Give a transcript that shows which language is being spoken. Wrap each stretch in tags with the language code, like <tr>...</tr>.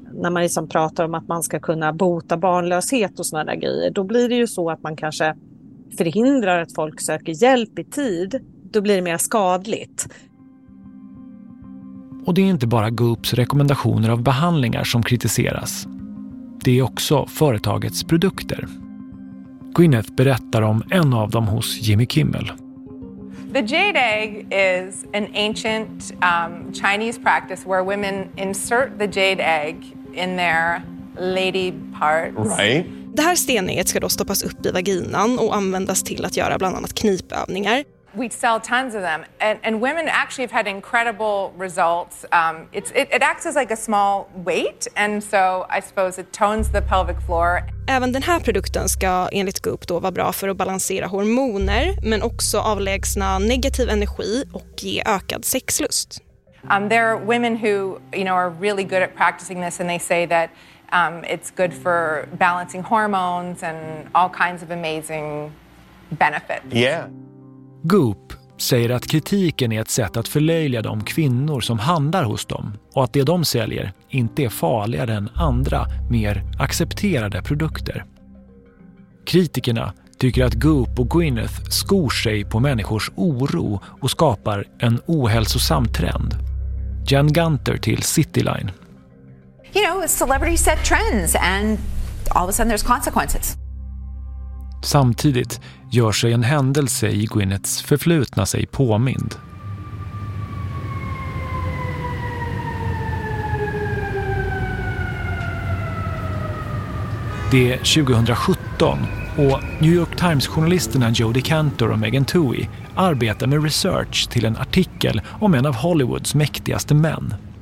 <sv>När man liksom pratar om att man ska kunna bota barnlöshet och sådana grejer, då blir det ju så att man kanske förhindrar att folk söker hjälp i tid. Då blir det mer skadligt. Och det är inte bara Goops rekommendationer av behandlingar som kritiseras. Det är också företagets produkter. Gwyneth berättar om en av dem hos Jimmy Kimmel.</sv> <en>The jade egg is an ancient Chinese practice where women insert the jade egg in their lady parts. Right.</en> <sv>Det här stenet ska då stoppas upp i vaginan och användas till att göra bland annat knipövningar.</sv> <en>We sell tons of them and women actually have had incredible results. It acts as like a small weight and so I suppose it tones the pelvic floor.</en> <sv>Även den här produkten ska enligt Goop då vara bra för att balansera hormoner men också avlägsna negativ energi och ge ökad sexlust.</sv> <en>There are women who, you know, are really good at practicing this and they say that it's good for balancing hormones and all kinds of amazing benefits. Yeah.</en> <sv>Goop säger att kritiken är ett sätt att förlöjliga de kvinnor som handlar hos dem och att det de säljer inte är farligare än andra, mer accepterade produkter. Kritikerna tycker att Goop och Gwyneth skor sig på människors oro och skapar en ohälsosam trend. Jen Gunter till Cityline.</sv> <en>You know, celebrities set trends and all of a sudden there's consequences.</en> <sv>Samtidigt gör sig en händelse i Gwyneths förflutna sig påmind. Det är 2017 och New York Times-journalisterna Jodie Kantor och Megan Toohey arbetar med research till en artikel om en av Hollywoods mäktigaste män.</sv>